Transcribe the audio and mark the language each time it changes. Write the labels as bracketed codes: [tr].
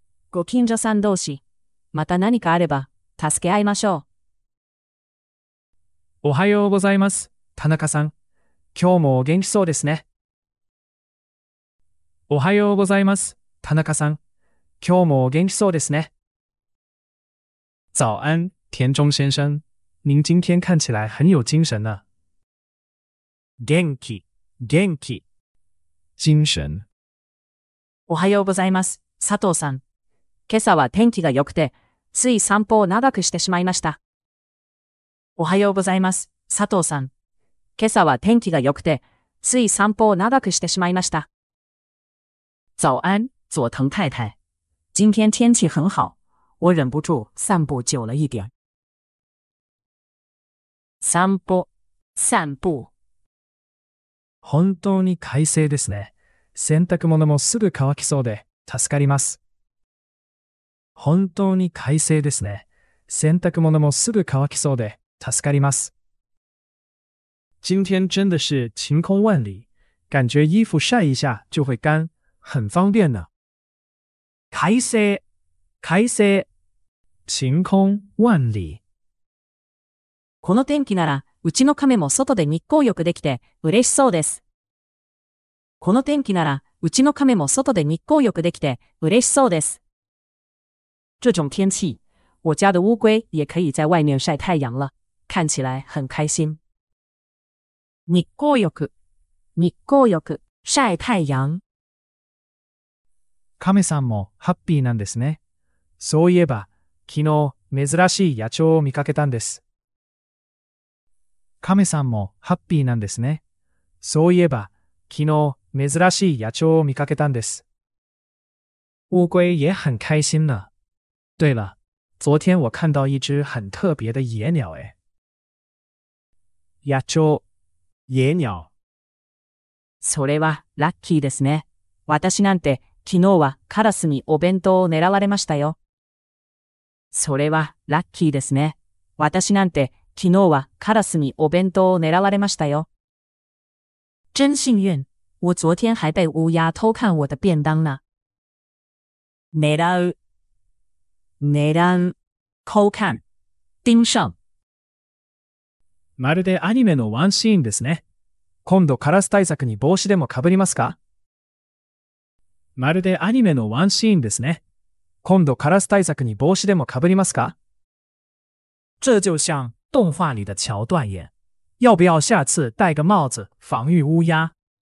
[ja] ご近所さん同士、また何かあれば助け合いましょう。おはようございます、田中さん。今日もお元気そうですね。おはようございます、田中さん。今日もお元気そうですね。 [zh] 早安、田中先生。您今天看起来很有精神呢。 [ja] 元気、元気。 [zh] 精神。 [ja] おはようございます、佐藤さん。今朝は天気が良くて、つい散歩を長くしてしまいました。おはようございます、佐藤さん。今朝は天気が良くて、つい散歩を長くしてしまいました。 [zh] 早安、佐藤太太。今天天气很好。我忍不住散步久了一点。 [ja] 散歩、散步。本当に快晴ですね。洗濯物もすぐ乾きそうで、助かります。本当に快晴ですね。洗濯物もすぐ乾きそうで、助かります。 [zh] 今天真的是晴空万里。感觉衣服晒一下就会干、很方便呢。 [ja] 快晴、快晴。 [zh] 晴空万里。 [ja] この天気なら、うちの亀も外で日光浴できて、嬉しそうです。この天気なら、うちの亀も外で日光浴できて、嬉しそうです。 [zh] 这种天气，我家的乌龟也可以在外面晒太阳了，看起来很开心。 [ja] 日光浴、日光浴、 [zh] 晒太阳。 [ja] 亀さんもハッピーなんですね。そういえば、昨日珍しい野鳥を見かけたんです。亀さんもハッピーなんですね。そういえば、昨日珍しい野鳥を見かけたんです。 [zh] 乌龟也很开心呢。对了，昨天我看到一只很特别的野鸟诶。 [ja] 野鳥、野鸟。それはラッキーですね。私なんて昨日はカラスにお弁当を狙われましたよ。それはラッキーですね。私なんて昨日はカラスにお弁当を狙われましたよ。 [zh] 真幸運。我昨天还被乌鸦偷看我的便当呢。 [ja] 狙う。狙う、 [zh] 偷看、盯上。 [ja] まるでアニメのワンシーンですね。今度カラス対策に帽子でもかぶりますか？まるでアニメのワンシーンですね。今度カラス対策に帽子でもかぶりますか？ [zh] 这就像动画里的桥段耶。要不要下次戴个帽子防御乌鸦？